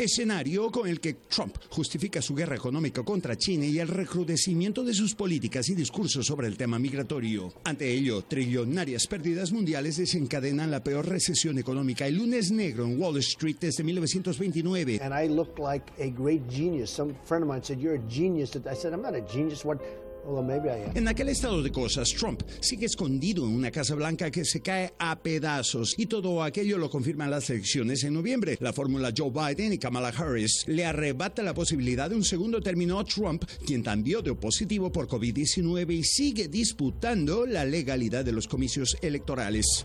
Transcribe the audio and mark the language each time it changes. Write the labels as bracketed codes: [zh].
[es] Escenario con el que Trump justifica su guerra económica contra China y el recrudecimiento de sus políticas y discursos sobre el tema migratorio. Ante ello, trillonarias pérdidas mundiales desencadenan la peor recesión económica, el lunes negro en Wall Street desde 1929. [en] And I looked like a great genius. Some friend of mine said, "You're a genius." I said, "I'm not a genius. What?" [es] En aquel estado de cosas, Trump sigue escondido en una Casa Blanca que se cae a pedazos, y todo aquello lo confirman las elecciones en noviembre. La fórmula Joe Biden y Kamala Harris le arrebata la posibilidad de un segundo término a Trump, quien también dio positivo por COVID-19 y sigue disputando la legalidad de los comicios electorales.